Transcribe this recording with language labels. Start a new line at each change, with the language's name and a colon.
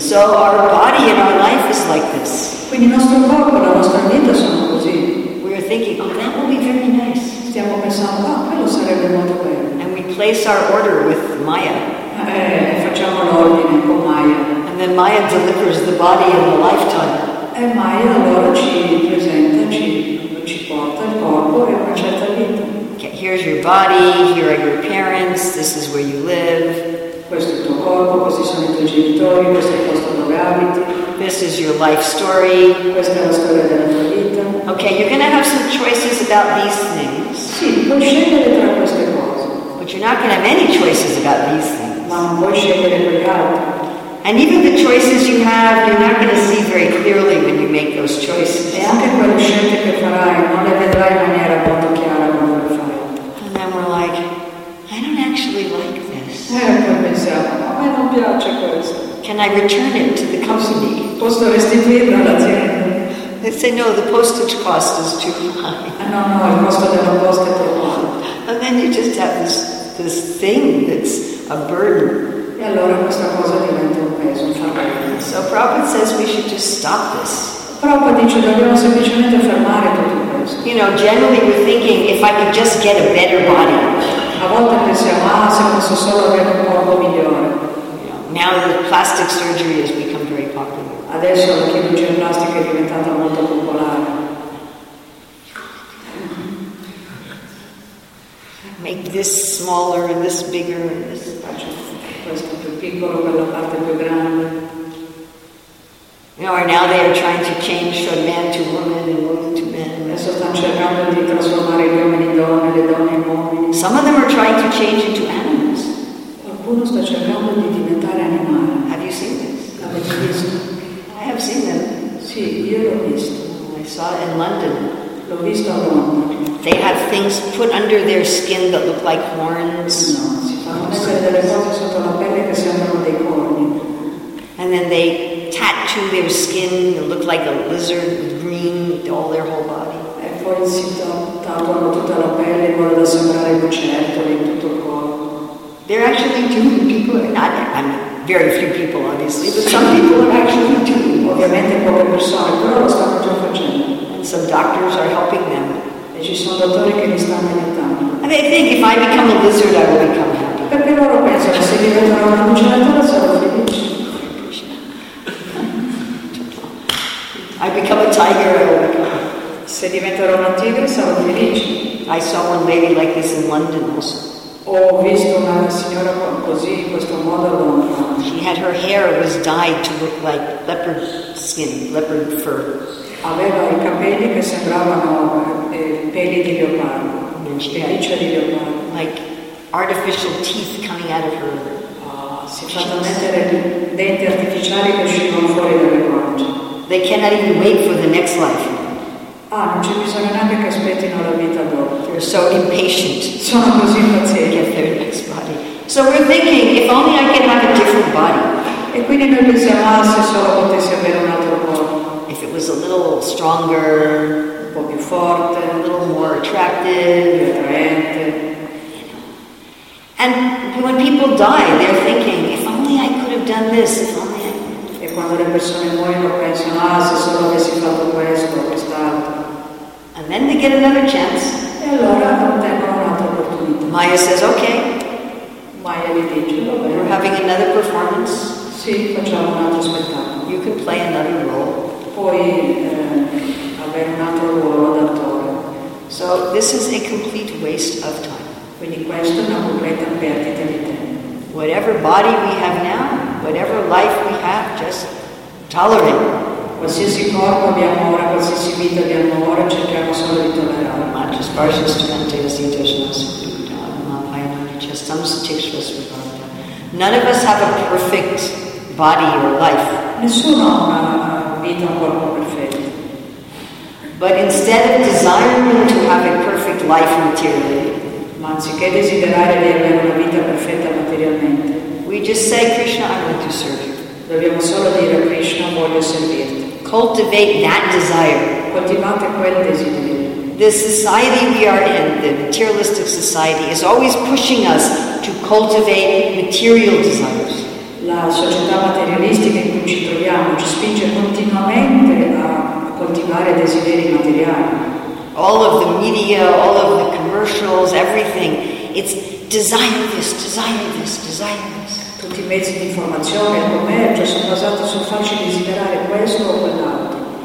English: So our body and our life is like this.
Italian: Quindi il nostro corpo, la nostra vita sono così.
English: We are thinking, oh, that will be very nice.
Italian: Stiamo pensando, oh, quello sarebbe molto bello.
English: And we place our order with Maya.
Italian: E facciamo l'ordine con Maya.
English: And then Maya delivers the body in a lifetime.
Italian: E Maya allora ci presenta, ci porta il corpo e una certa vita.
English: Okay, here's your body, here are your parents, this is where you live.
Italian: Questo è il tuo corpo, questi sono i tuoi genitori, questo è il posto dove abiti.
English: This is your life story.
Italian: Questa è la storia della tua vita.
English: Okay, you're going to have some choices about these things.
Italian: Sì, puoi scegliere tra queste cose.
English: But you're not going to have any choices about these things.
Italian: Ma non puoi scegliere per gli altri.
English: And even the choices you have, you're not going to see very clearly when you make those choices.
Italian: E anche quelle scelte che farai, non le vedrai in maniera molto chiara quando le fai.
English: And then we're like, I don't actually like this.
Italian: Pensiamo, a me non piace questo.
English: Can I return it to the company?
Italian: Posso restituirlo all'azienda?
English: They say no, the postage cost is too high.
Italian: No, no, il costo della posta è troppo alto.
English: And then you just have this thing that's a burden.
Italian: E allora questa cosa diventa un peso, un fardello.
English: So Prabhupada says we should just stop this.
Italian: Prabhupada dice dobbiamo semplicemente fermare tutto questo.
English: You know, generally we're thinking if I could just get a better body.
Italian: A volte pensiamo, ah, se posso solo avere un corpo migliore.
English: Now the plastic surgery has become very popular.
Italian: Adesso la chirurgia plastica è diventata molto popolare.
English: Make this smaller and this bigger and this.
Italian: Questo più piccolo, quella parte più grande.
English: You know, or now they are trying to change from man to woman and woman to man.
Italian: Adesso stanno cercando di trasformare gli uomini in donne, le donne in uomini.
English: Some of them are trying to change into animals.
Italian: Qualcuno sta cercando di diventare animale.
English: Have you seen this?
Italian: Avete visto?
English: I have seen them.
Italian: Sì, io l'ho visto.
English: I saw it in London.
Italian: L'ho visto a Londra.
English: They have things put under their skin that look like horns.
Italian: No, si fanno mettere delle cose sotto la pelle. quelle che sembrano dei corni.
English: And then they tattoo their skin to look like a lizard with green with all their whole body.
Italian: E poi si tatuano tutta la pelle in modo da sembrare lucertole in tutto il corpo.
English: They're actually doing people, not, I mean, very few people obviously, but some people are actually doing.
Italian: Ovviamente poche persone, però lo stanno già facendo.
English: And some doctors are helping them.
Italian: E ci sono dottori che li stanno aiutando.
English: And they think if I become a lizard, I will become happy.
Italian: Perché loro pensano se diventano una lucertola sono felice.
English: I become a tiger, I will become.
Italian: Se diventerò una tigre sarò felice.
English: I saw one lady like this in London also.
Italian: Ho visto una signora così in questo modo a Londra.
English: She had her hair was dyed to look like leopard skin, leopard fur.
Italian: Aveva i capelli che sembravano peli di leopardo, pelliccia di leopardo.
English: Like artificial teeth coming out of her.
Italian: Si fanno mettere denti artificiali che uscivano fuori dalle guance.
English: They cannot even wait for the next life.
Italian: Ah, non c'è bisogno neanche che aspettino la vita dopo.
English: They're so impatient.
Italian: Sono così impazienti.
English: To get their next body. So we're thinking, if only I could have a different body.
Italian: E quindi noi pensiamo, ah, se solo potessi avere un altro corpo.
English: If it was a little stronger,
Italian: un po' più forte,
English: a little more attractive,
Italian: più attraente.
English: And when people die, they're thinking, if only I could have done this, if only.
Italian: E quando le persone muoiono pensano, ah, se solo avessi fatto questo o quest'altro.
English: And then they get another chance.
Italian: E allora ottengono un'altra opportunità.
English: Maya says, okay.
Italian: Maya gli dice, va bene.
English: We're having another performance.
Italian: Sì, facciamo un altro spettacolo.
English: You can play another role.
Italian: Puoi avere un altro ruolo d'attore.
English: So this is a complete waste of time.
Italian: Quindi questa è una completa perdita di tempo.
English: Whatever body we have now, whatever life we have, just tolerate.
Italian: Qualsiasi corpo abbiamo ora, qualsiasi vita abbiamo ora, cerchiamo solo di tollerare. Ma ci sparsi strumenti, si interessano su tutto. Ma poi non ci stiamo sicuri su tutto.
English: None of us have a perfect body or life.
Italian: Nessuno ha una vita o un corpo perfetto.
English: But instead of desiring to have a perfect life materially,
Italian: ma anziché desiderare di avere una vita perfetta materialmente,
English: we just say, Krishna, I want to serve you.
Italian: Dobbiamo solo dire, Krishna, voglio servirti.
English: Cultivate that desire.
Italian: Coltivate quel desiderio.
English: The society we are in, the materialistic society, is always pushing us to cultivate material desires.
Italian: La società materialistica in cui ci troviamo ci spinge continuamente a coltivare desideri materiali.
English: All of the media, all of the commercials, everything, it's desire this, desire this, desire this.
Italian: Tutti i mezzi di informazione, il commercio, sono basati sul farci desiderare questo o quell'altro.